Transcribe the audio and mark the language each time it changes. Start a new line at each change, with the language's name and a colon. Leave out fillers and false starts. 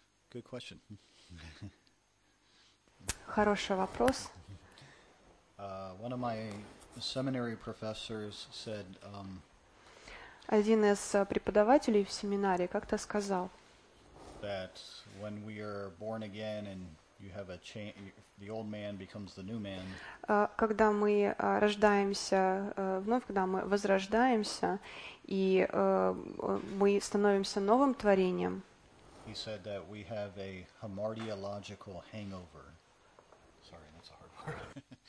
English: Good question.
Russian: Хороший вопрос.
English: One of my seminary professors said,
Russian: один из преподавателей в семинаре как-то сказал,
English: that when we are born again and you have a change, the old man becomes the new man.
Russian: Когда мы рождаемся вновь, когда мы возрождаемся и мы становимся новым творением.
English: He said that we have a hamartiological hangover. Sorry, that's a hard word.